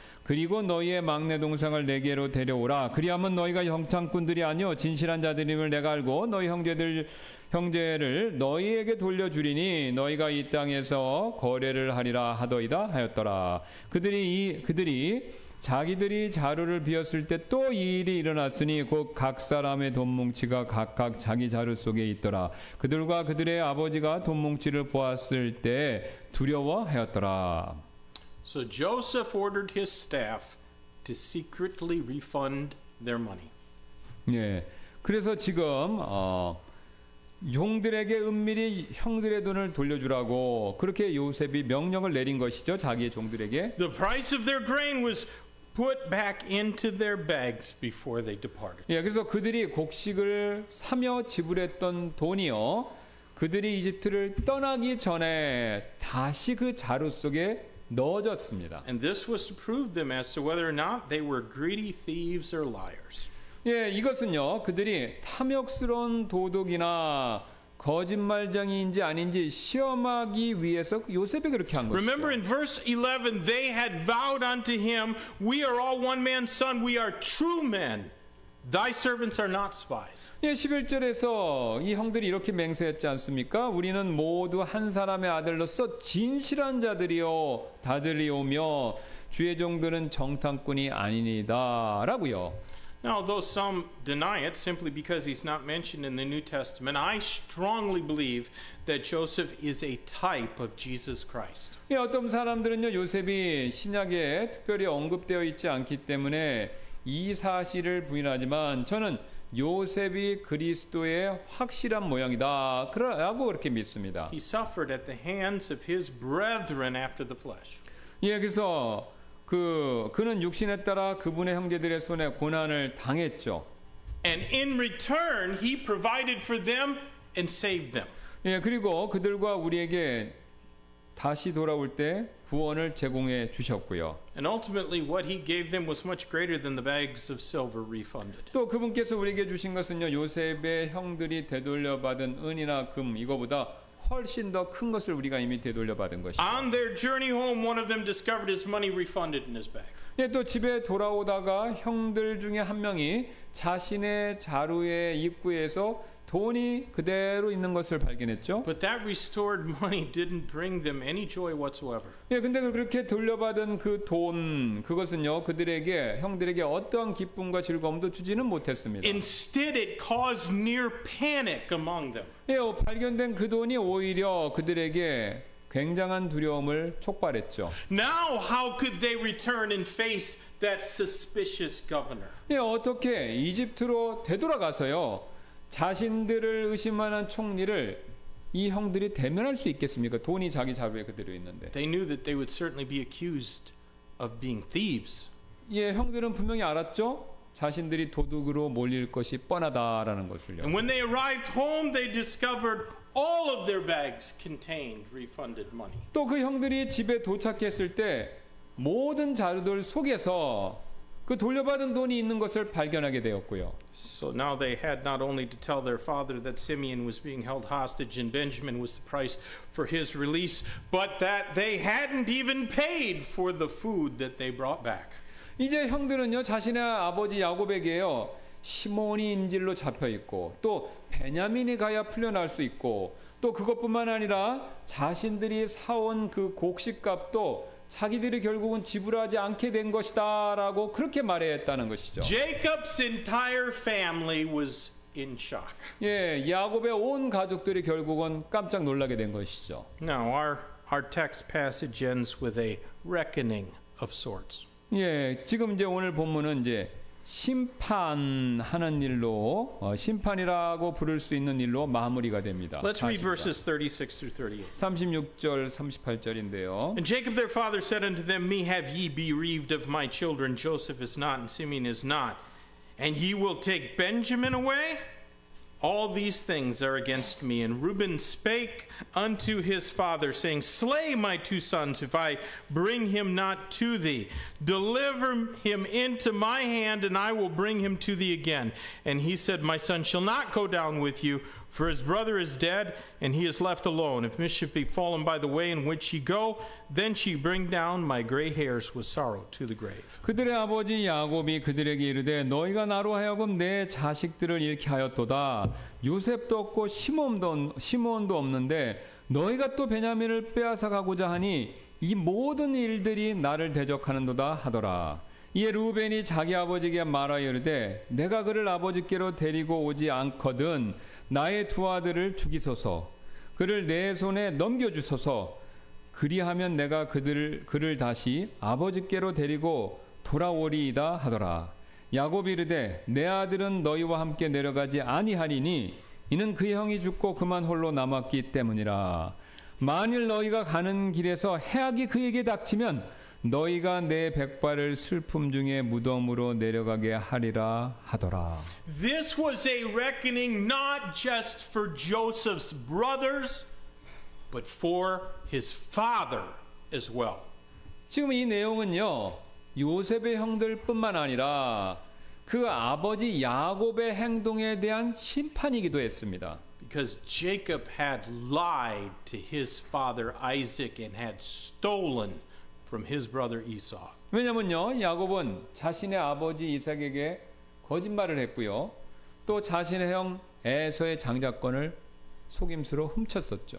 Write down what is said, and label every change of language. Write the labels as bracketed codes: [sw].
[ko] 그리고 너희의 막내 동생을 내게로 데려오라. 그리하면 너희가 형창꾼들이 아니오 진실한 자들임을 내가 알고 너희 형제를 너희에게 돌려주리니 너희가 이 땅에서 거래를 하리라 하더이다 하였더라. 그들이 자기들이 자루를 비었을 때 또 이 일이 일어났으니 곧 각 사람의 돈뭉치가 각각 자기 자루 속에 있더라. 그들과 그들의 아버지가 돈뭉치를 보았을 때 두려워하였더라. [en] So Joseph ordered his staff to secretly refund their money. [ko] 예, 그래서 지금 형들에게 은밀히 형들의 돈을 돌려주라고 그렇게 요셉이 명령을 내린 것이죠, 자기의 종들에게. [en] The price of their grain was put back into their bags before they departed. [ko] 예, 그래서 그들이 곡식을 사며 지불했던 돈이요, 그들이 이집트를 떠나기 전에 다시 그 자루 속에 넣어졌습니다. [en] And this was to prove them as to whether or not they were greedy thieves or liars. [ko] 예, 이것은요, 그들이 탐욕스러운 도둑이나 거짓말쟁이인지 아닌지 시험하기 위해서 요셉이 그렇게 한 것이죠. [en] Remember in verse 11, they had vowed unto him, "We are all one man's son. We are true men. Thy servants are not spies." [ko] 예, 11절에서 이 형들이 이렇게 맹세했지 않습니까? 우리는 모두 한 사람의 아들로서 진실한 자들이요, 다들이오며 주의 종들은 정탐꾼이 아니니다라고요. [en] Now, though some deny it simply because he's not mentioned in the New Testament, I strongly believe that Joseph is a type of Jesus Christ. [ko] 예, 어떤 사람들은요, 요셉이 신약에 특별히 언급되어 있지 않기 때문에 이 사실을 부인하지만 저는 요셉이 그리스도의 확실한 모형이다 라고 그렇게 믿습니다. [en] He suffered at the hands of his brethren after the flesh. [ko] 예, 그래서 그는 육신에 따라 그분의 형제들의 손에 고난을 당했죠. [en] And in return he provided for them and saved them. [ko] 예, 그리고 그들과 우리에게 다시 돌아올 때 구원을 제공해 주셨고요. [en] And ultimately what he gave them was much greater than the bags of silver refunded. [ko] 또 그분께서 우리에게 주신 것은요, 요셉의 형들이 되돌려받은 은이나 금 이거보다 훨씬 더 큰 것을 우리가 이미 되돌려받은 것이죠. [en] On their journey home one of them discovered his money refunded in his bag. [ko] 예, 또 집에 돌아오다가 형들 중에 한 명이 자신의 자루의 입구에서 돈이 그대로 있는 것을 발견했죠. [en] But that restored money didn't bring them any joy whatsoever. [ko] 예, 근데 그렇게 돌려받은 그 돈, 그것은요, 그들에게 형들에게 어떠한 기쁨과 즐거움도 주지는 못했습니다. [en] Instead, it caused near panic among them. [ko] 예, 발견된 그 돈이 오히려 그들에게 굉장한 두려움을 촉발했죠. [en] Now, how could they return and face that suspicious governor? [ko] 예, 어떻게 이집트로 되돌아가서요? 자신들을 의심하는 총리를 이 형들이 대면할 수 있겠습니까? 돈이 자기 자루에 그대로 있는데. [en] They knew that they would certainly be accused of being thieves. [ko] 예, 형들은 분명히 알았죠. 자신들이 도둑으로 몰릴 것이 뻔하다라는 것을요. [en] And when they arrived home, they discovered all of their bags contained refunded money. [ko] 또 그 형들이 집에 도착했을 때 모든 자루들 속에서 그 돌려받은 돈이 있는 것을 발견하게 되었고요. [en] So now they had not only to tell their father that Simeon was being held hostage and Benjamin was the price for his release, but that they hadn't even paid for the food that they brought back. [ko] 이제 형들은요, 자신의 아버지 야곱에게요, 시몬이 인질로 잡혀 있고 또 베냐민이 가야 풀려날 수 있고 또 그것뿐만 아니라 자신들이 사온 그 곡식값도 자기들이 결국은 지불하지 않게 된 것이다라고 그렇게 말했다는 것이죠. [en] Jacob's entire family was in shock. [ko] 예, 야곱의 온 가족들이 결국은 깜짝 놀라게 된 것이죠. [en] Now our text passage ends with a reckoning of sorts. [ko] 예, 지금 이제 오늘 본문은 이제 심판하는 일로 심판이라고 부를 수 있는 일로 마무리가 됩니다. [en] Let's read verses 36 through 38. [ko] 36절 38절인데요. [en] And Jacob their father said unto them, Me have ye bereaved of my children, Joseph is not and Simeon is not, and ye will take Benjamin away? All these things are against me. And Reuben spake unto his father, saying, Slay my two sons, if I bring him not to thee. Deliver him into my hand, and I will bring him to thee again. And he said, My son shall not go down with you, for his brother is dead, and he is left alone. If mischief be fallen by the way in which ye go, then ye bring down my gray hairs with sorrow to the grave. [ko] 그들의 아버지 야곱이 그들에게 이르되 너희가 나로 하여금 내 자식들을 잃게 하였도다. 요셉도 없고 시몬도 없는데 너희가 또 베냐민을 빼앗아 가고자 하니 이 모든 일들이 나를 대적하는도다 하더라. 이에 르우벤이 자기 아버지에게 말하여 이르되 내가 그를 아버지께로 데리고 오지 않거든 나의 두 아들을 죽이소서 그를 내 손에 넘겨주소서 그리하면 내가 그를 다시 아버지께로 데리고 돌아오리이다 하더라. 야곱이 이르되 내 아들은 너희와 함께 내려가지 아니하리니 이는 그 형이 죽고 그만 홀로 남았기 때문이라. 만일 너희가 가는 길에서 해악이 그에게 닥치면 너희가 내 백발을 슬픔 중에 무덤으로 내려가게 하리라 하더라. [en] This was a reckoning not just for Joseph's brothers, but for his father as well. [ko] 지금 이 내용은요, 요셉의 형들뿐만 아니라 그 아버지 야곱의 행동에 대한 심판이기도 했습니다. [en] Because Jacob had lied to his father Isaac and had stolen from his brother Esau. [ko] 왜냐면요, 야곱은 자신의 아버지 이삭에게 거짓말을 했고요. 또 자신의 형 에서의 장자권을 속임수로 훔쳤었죠.